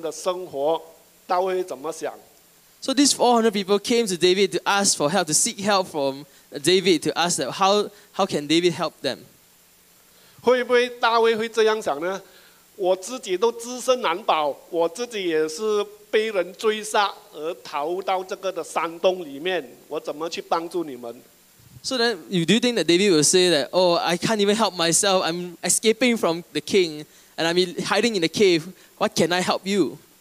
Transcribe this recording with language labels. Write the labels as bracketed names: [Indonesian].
[Chinese] 这里有400人来到呼求大卫，要来到投靠他，求他帮助他，想办法解决他们的生活。大卫怎么想？ [English] So these 400 people came to David to ask for help, to seek help from David, to ask them how can David help them? [Chinese] 会不会大卫会这样想呢?我自己都自身难保，我自己也是被人追杀而逃到这个的山洞里面，我怎么去帮助你们？ [English] So then, do you think that David will say that, oh, I can't even help myself, I'm escaping from the king, and I'm hiding in the cave, what can I help you?